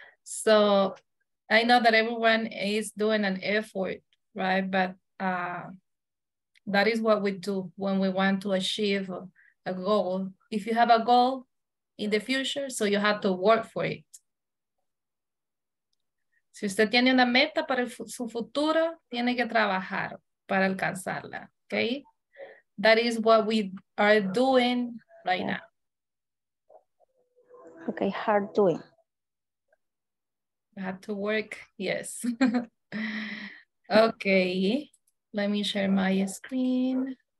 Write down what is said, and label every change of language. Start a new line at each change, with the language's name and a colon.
English: so I know that everyone is doing an effort, right? But that is what we do when we want to achieve a goal. If you have a goal in the future, so you have to work for it.
Spanish: Si usted tiene una meta para su futuro, tiene que trabajar para alcanzarla, okay?
English: That is what we are doing right now. Okay, hard doing. I have to work, yes. Okay, let me share my screen.